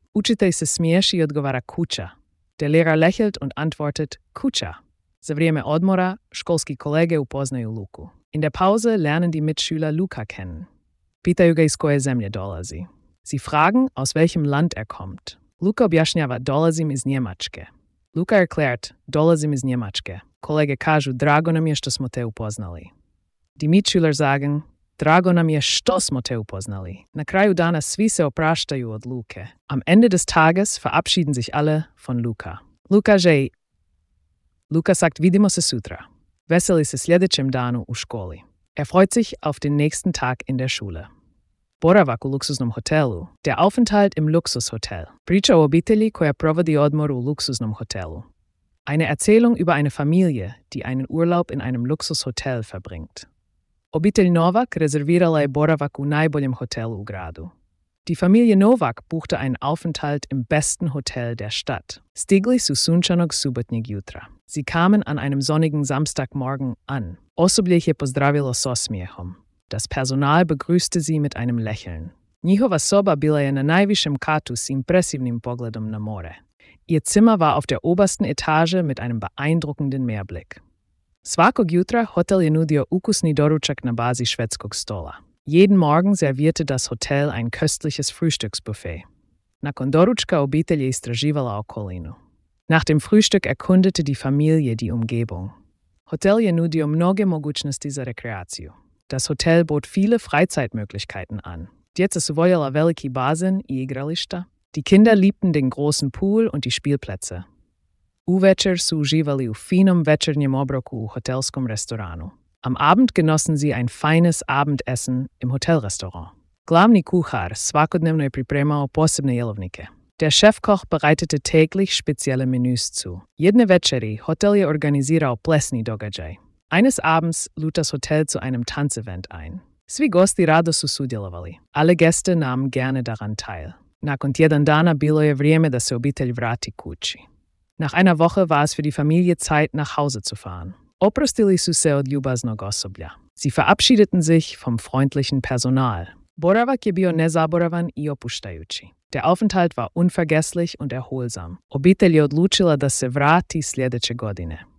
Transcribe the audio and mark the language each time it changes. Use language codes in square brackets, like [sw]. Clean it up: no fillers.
[hr] Učitelj se smiješi i odgovara kuća. [de] Der Lehrer lächelt und antwortet [hr] kuća. Za vrijeme odmora, školski kolege upoznaju Luku. [de] In der Pause lernen die Mitschüler Luka kennen. [hr] Pitaju ga iz koje zemlje dolazi. [de] Sie fragen, aus welchem Land kommt. [hr] Luka objašnjava, dolazim iz Njemačke. [de] Luka erklärt, [hr] dolazim iz Njemačke. Kolege kažu, drago nam je što smo te upoznali. [de] Die Mitschüler sagen, [hr] drago nam je što smo te upoznali. Na kraju dana svi se opraštaju od Luke. [de] Am Ende des Tages verabschieden sich alle von Luka. [hr] Luka je. [de] Luka sagt, [hr] vidimo se sutra. Veseli se sljedećem danu u školi. [de] Freut sich auf den nächsten Tag in der Schule. [hr] Boravak u luksuznom hotelu. [de] Der Aufenthalt im Luxushotel. [hr] Priča o obitelji koja provodi odmor u luksuznom hotelu. [de] Eine Erzählung über eine Familie, die einen Urlaub in einem Luxushotel verbringt. [hr] Obitelj Novak rezervirala je boravak u najboljem hotelu u gradu. [de] Die Familie Novak buchte einen Aufenthalt im besten Hotel der Stadt. [hr] Stigli su sunčanog subotnjeg jutra. [de] Sie kamen an einem sonnigen Samstagmorgen an. [hr] Osobljeje pozdravilo s osmijehom. [de] Das Personal begrüßte sie mit einem Lächeln. [hr] Njihova soba bila je na najvišem katu s impresivnim pogledom na more. [de] Ihr Zimmer war auf der obersten Etage mit einem beeindruckenden Meerblick. [hr] Svakog jutra hotel je nudio ukusni doručak na bazi švedskog stola. [de] Jeden Morgen servierte das Hotel ein köstliches Frühstücksbuffet. [hr] Nakon doručka obitelj je istraživala okolinu. [de] Nach dem Frühstück erkundete die Familie die Umgebung. [hr] Hotel je nudio mnoge mogućnosti za rekreaciju. [de] Das Hotel bot viele Freizeitmöglichkeiten an. [hr] Djeca su voljela veliki bazen i igrališta. [de] Die Kinder liebten den großen Pool und die Spielplätze. [hr] Uvečer su uživali u finom večernjem obroku u hotelskom restoranu. [de] Am Abend genossen sie ein feines Abendessen im Hotelrestaurant. [hr] Glavni kuhar svakodnevno je pripremao posebne jelovnike. [de] Der Chefkoch bereitete täglich spezielle Menüs zu. [hr] Jedne večeri hotel je organizirao plesni događaj. [de] Eines Abends lud das Hotel zu einem Tanzevent ein. [hr] Svi gosti rado su sudjelovali. [de] Alle Gäste nahmen gerne daran teil. [hr] Nakon tjedan dana bilo je vrijeme da se obitelj vrati kući. [de] Nach einer Woche war es für die Familie Zeit, nach Hause zu fahren. [hr] Oprostili su se od ljubaznog osoblja. [de] Sie verabschiedeten sich vom freundlichen Personal. [hr] Boravak je bio nezaboravan i opuštajući. [de] Der Aufenthalt war unvergesslich und erholsam. [hr] Obitelj je odlučila da se vrati sljedeće godine.